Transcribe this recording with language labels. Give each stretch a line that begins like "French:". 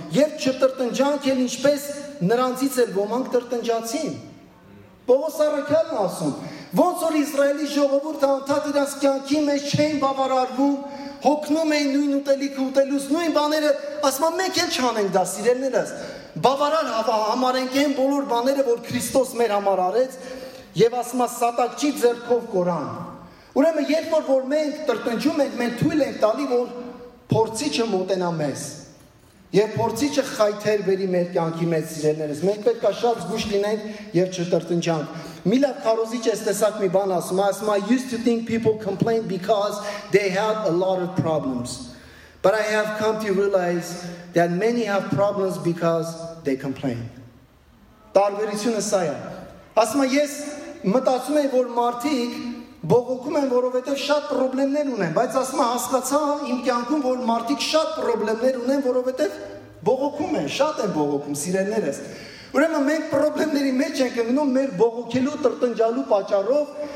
Armenian: «Երբ չտրտնջանք, ել ինչպես նրանցից էլ ոմանք տրտնջացին»։ Պողոս առաքյալն ասում, ոնց որ Իսրայելի ժողովուրդը անդադ իրաց կյանքի մեջ չէին բավարարվում, հոգնում էին նույն ուտելիքը ուտելուց, նույն բաները, ասում ա մենք էլ չանենք դա, սիրելներս, բավարար համարենք այն բոլոր բաները, որ Քրիստոս մեր համար արեց, եւ ասում ա սատակչի ձեռքով կորան։ Ուրեմն երբ որ մենք տրտնջում ենք, մենք թույլ ենք տալի, որ փորձիչը մոտենա մեզ եւ փորձիչը խայթեր բերի մեր կյանքի մեջ, սիրելներս, մենք պետք ա շատ զգույշ լինենք եւ չտրտնջանք։ Միլա Քարոզիչ էս տեսակ մի բան ասում, ասում,
English: I used to think people complain because they have a lot of problems. But I have come to realize that many have problems because they complain.
Armenian: Տարբերությունը սա է։ Ասում եմ, ես մտածում եմ, որ մարդիկ բողոքում են, որովհետև շատ պրոբլեմներ ունեն, բայց ասում եմ, հասկացա իմ կյանքում, որ մարդիկ շատ պրոբլեմներ ունեն, որովհետև բողոքում են, շատ են բողոքում, սիրելներս։ Ուրեմն մենք պրոբլեմների մեջ ենք ընկնում մեր բողոքելու, տրտընջալու պատճառով,